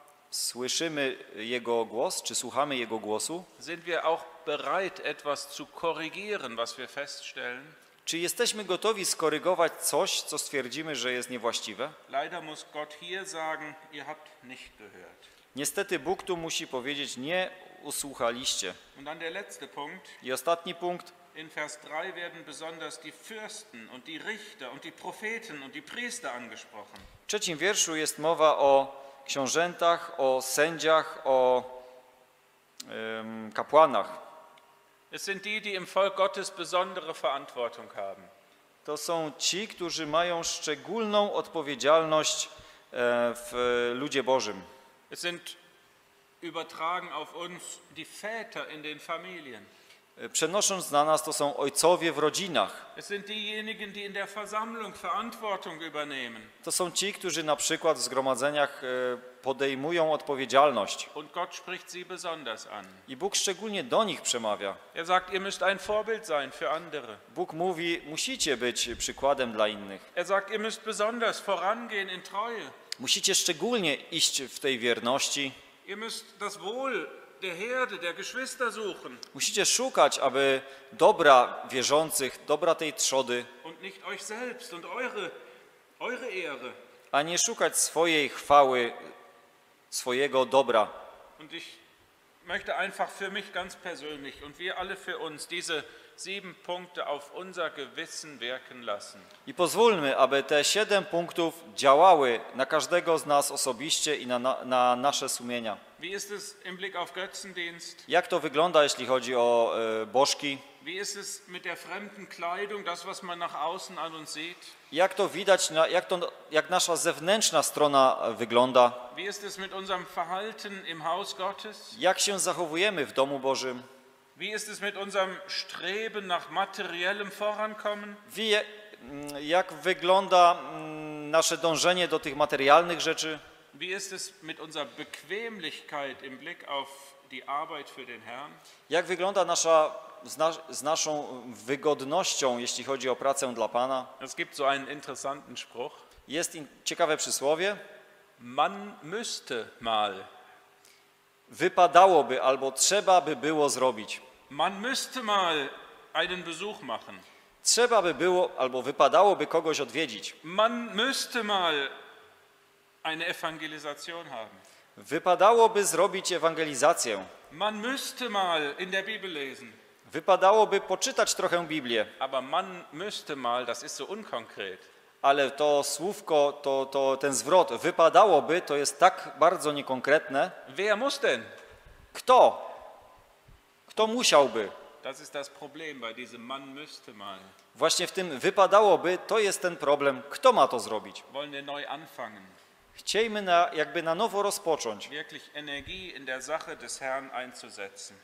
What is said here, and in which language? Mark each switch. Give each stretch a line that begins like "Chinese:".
Polish: Słyszymy jego głos, czy słuchamy jego głosu?
German: Sind wir auch bereit, etwas zu korrigieren, was wir feststellen?
Polish: Czy jesteśmy gotowi skorygować coś, co stwierdzimy, że jest niewłaściwe?
German: Leider muss Gott hier sagen, ihr habt nicht gehört.
Polish: Niestety Bóg tu musi powiedzieć, nie usłuchaliście.
German: Und dann der letzte Punkt.
Polish: I ostatni punkt.
German: In Vers 3 werden besonders die Fürsten und die Richter und die Propheten und die Priester angesprochen.
Polish: W trzecim wierszu jest mowa o książętach, o sędziach, o kapłanach.
German: Es sind die, die im Volk Gottes besondere Verantwortung haben.
Polish: To są ci, którzy mają szczególną odpowiedzialność w ludzie Bożym.
German: Es sind übertragen auf uns die Väter in den Familien.
Polish: Przenosząc na nas, to są ojcowie w rodzinach.
German: Es sind diejenigen, die in der Versammlung Verantwortung übernehmen.
Polish: To są ci, którzy na przykład w zgromadzeniach podejmują odpowiedzialność.
German: Und Gott spricht sie besonders an.
Polish: I Bóg szczególnie do nich przemawia.
German: Er sagt, ihr müsst ein Vorbild sein für andere.
Polish: Bóg mówi, musicie być przykładem dla innych.
German: Er sagt, ihr müsst besonders vorangehen in Treue.
Polish: Musicie szczególnie iść w tej wierności.
German: Ihr müsst das Wohl der Herde, der Geschwister suchen.
Polish: Musicie szukać, aby dobra wierzących, dobra tej trzody.
German: Und nicht euch selbst und eure Ehre.
Polish: A nie szukać swojej chwały, swojego dobra.
German: Und ich möchte einfach für mich ganz persönlich und wir alle für uns diese sieben Punkte auf unser Gewissen wirken lassen.
Polish: I pozwólmy, aby te siedem punktów działały na każdego z nas osobiście i na nasze sumienia.
German: Wie ist es im Blick auf Götzendienst?
Polish: Jak to wygląda, jeśli chodzi o bożki?
German: Wie ist es mit der fremden Kleidung, das was man nach außen an uns sieht?
Polish: Jak to widać, jak nasza zewnętrzna strona wygląda?
German: Wie ist es mit unserem Verhalten im Haus Gottes?
Polish: Jak się zachowujemy w domu Bożym?
German: Wie ist es mit unserem Streben nach materiellem Vorankommen?
Polish: Jak wygląda nasze dążenie do tych materialnych rzeczy?
German: Wie ist es mit unserer Bequemlichkeit im Blick auf die Arbeit für den Herrn?
Polish: Jak wygląda nasza z naszą wygodnością, jeśli chodzi o pracę dla Pana?
German: Es gibt so einen interessanten Spruch.
Polish: Jest ciekawe przysłowie.
German: Man müsste mal.
Polish: Wypadałoby albo trzeba by było zrobić.
German: Man müsste mal einen Besuch machen.
Polish: Trzeba by było albo wypadałoby kogoś odwiedzić.
German: Man müsste mal eine Evangelisation haben.
Polish: Wypadałoby zrobić ewangelizację.
German: Man müsste mal in der Bibel lesen.
Polish: Wypadałoby poczytać trochę Biblię.
German: Aber man müsste mal, das ist so unkonkret.
Polish: Ale to słówko, to ten zwrot, wypadałoby, to jest tak bardzo niekonkretne.
German: Wer muss denn?
Polish: Kto? Kto musiałby?
German: Das ist das Problem bei diesem man müsste mal.
Polish: Właśnie w tym wypadałoby, to jest ten problem. Kto ma to zrobić?
German: Wollen wir neu anfangen.
Polish: Chciejmy jakby na nowo rozpocząć.
German: Wirklich Energie in der Sache des Herrn einzusetzen.